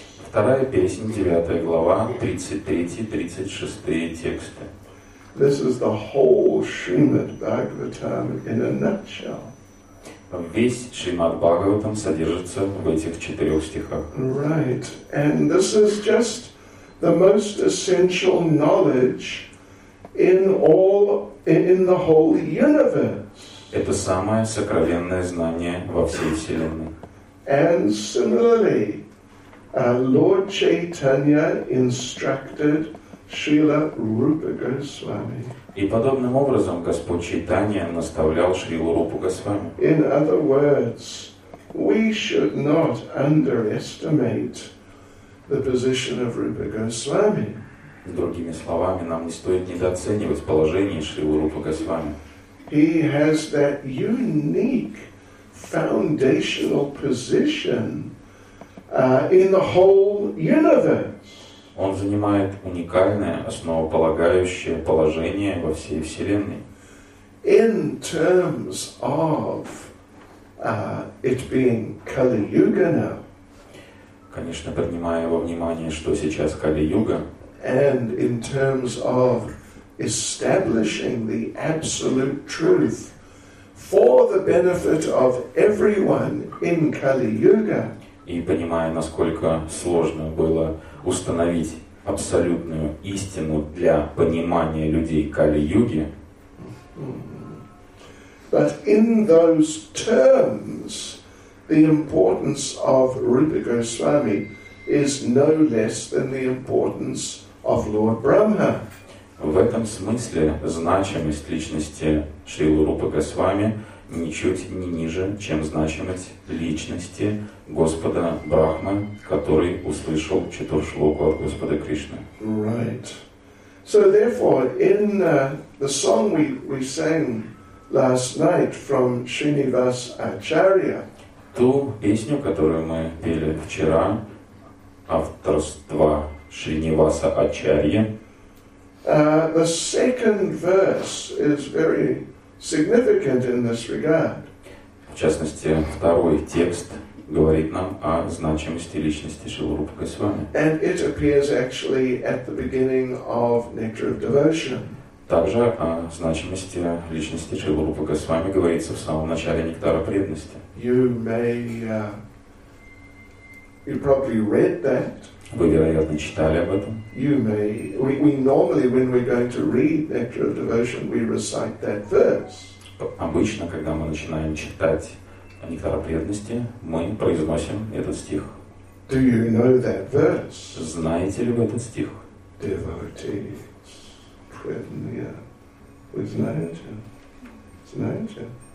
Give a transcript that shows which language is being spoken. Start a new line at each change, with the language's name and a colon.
Russian: Вторая песня, девятая глава, 33-36 тексты.
English: This is the whole Srimad Bhagavatam in a nutshell.
Russian: Весь Шримад Бхагаватам содержится в этих четырех стихах.
English: Right. And this is just the most essential knowledge in the whole universe.
Russian: Это самое сокровенное знание во всей вселенной.
English: And similarly, Lord Chaitanya instructed Шрила Рупа Госвами.
Russian: И подобным образом Господь Чайтанья наставлял Шрилу Рупу Госвами.
English: In other words, we should not underestimate the position of Рупа Госвами.
Russian: Другими словами, нам не стоит недооценивать положение Шрилы Рупа Госвами.
English: He has that unique foundational position in the whole universe.
Russian: Он занимает уникальное основополагающее положение во всей вселенной.
English: In terms of it being Kali Yuga now.
Russian: Конечно, принимая во внимание, что сейчас Кали Юга.
English: And in terms of establishing the absolute truth for the benefit of everyone in Kali Yuga.
Russian: И понимая, насколько сложно было установить абсолютную истину для понимания людей Кали-юги.
English: But in those terms, the importance of Rupa Goswami is no less than the importance of Lord Brahma.
Russian: В этом смысле значимость личности Шрилы Рупы Госвами ничуть не ниже, чем значимость личности Господа Брахмы, который услышал четуршлоку от Господа Кришны.
English: Right. So therefore, in the song we sang last night from Srinivas Acharya,
Russian: ту песню, которую мы пели вчера, авторства Шринаваса Ачарьи,
English: The second verse is very significant in this regard.
Russian: В частности, второй текст говорит нам о значимости личности Шрилы Рупы Госвами.
English: And it appears actually at the beginning of Nectar of Devotion.
Russian: Также о значимости личности Шрилы Рупы Госвами говорится в самом начале Нектара Преданности.
English: You probably read that.
Russian: Вы, вероятно, читали об этом.
English: You may. We normally, when we're going to read Nectar of Devotion, we recite that verse.
Russian: Обычно, когда мы начинаем читать Нектар преданности, мы произносим этот стих.
English: Do you know that verse?
Russian: Знаете ли вы этот стих? Devotees, преданные, вы знаете? Знаете?